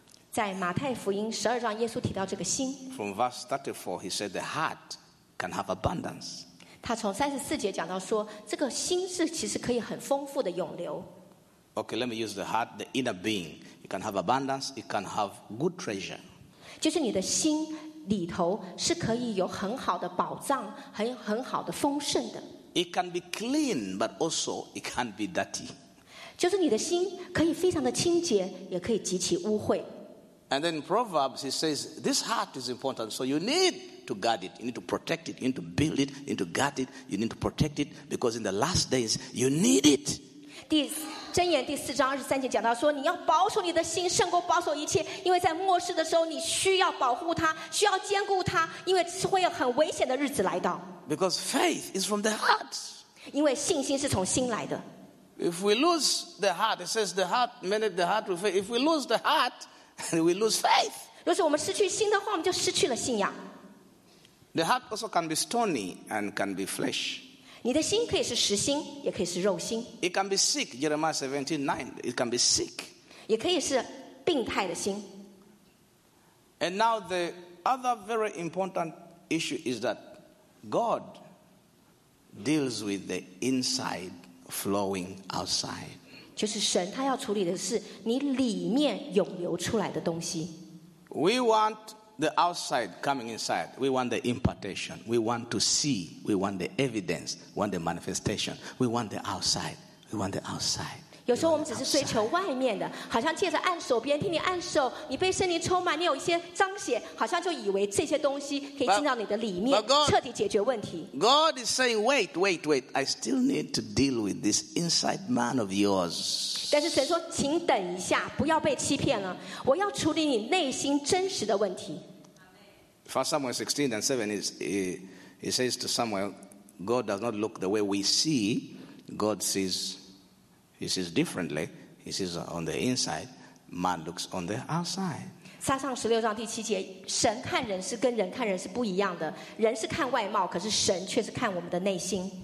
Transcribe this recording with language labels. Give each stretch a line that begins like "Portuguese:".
Chinese: 在马太福音十二章，耶稣提到这个心。
English: From verse 34, he said the heart can have abundance.
Chinese: 他从三十四节讲到说，这个心是其实可以很丰富的涌流。
English: Okay, let me use the heart, the inner being. You can have abundance. You can have good treasure.
Chinese: 就是你的心里头是可以有很好的宝藏，很好的丰盛的。
English: It can be clean, but also it can be dirty.
Chinese: 就是你的心可以非常的清洁，也可以极其污秽。
English: And then in Proverbs he says, "This heart is important, so you need." To guard it, you need to protect it, you need to build it, you need to guard it, you need to protect it, because in the last days you need it.
Chinese: 第箴言第四章二十三节讲到说，你要保守你的心，胜过保守一切，因为在末世的时候，你需要保护它，需要坚固它，因为会有很危险的日子来到。
English: Because faith is from the heart.
Chinese: 因为信心是从心来的。
English: If we lose the heart, it says the heart, many the heart will fail. If we lose the heart, we lose faith.
Chinese: 若是我们失去心的话，我们就失去了信仰。
English: The heart also can be stony and can be flesh.
Chinese: 你的心可以是实心，也可以是肉心。
English: It can be sick. Jeremiah 17:9. It can be sick.
Chinese: 也可以是病态的心。
English: And now the other very important issue is that God deals with the inside flowing outside.
Chinese: 就是神他要处理的是你里面涌流出来的东西。
English: We want. The outside coming inside, we want the impartation. We want to see. We want the evidence. We want the manifestation. We want the outside. We want the outside.
Chinese: 有时候我们只是追求外面的，好像借着按手，别人替你按手，你被圣灵充满，你有一些彰显，好像就以为这些东西可以进到你的里面，彻底解决问题。
English: God is saying, wait. I still need to deal with this inside man of yours.
Chinese: 但是神说，请等一下，不要被欺骗了，我要处理你内心真实的问题。
English: First Samuel 16:7 is he says to Samuel, God does not look the way we see. God sees. He sees differently. He sees on the inside. Man looks on the outside.
Chinese: 撒上十六章第七节，神看人是跟人看人是不一样的。人是看外貌，可是神却是看我们的内心。